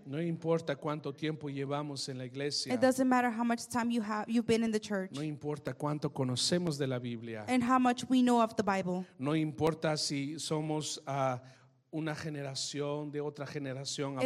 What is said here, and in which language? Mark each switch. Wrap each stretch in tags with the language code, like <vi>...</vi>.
<es>No importa cuánto tiempo llevamos en la iglesia.</es> <en>It doesn't matter how much time you've been in the church.</en> <es>No importa cuánto conocemos de la Biblia.</es> <en>And how much we know of the Bible.</en> <es>No importa si somos una generación de otra generación apostólica.</es>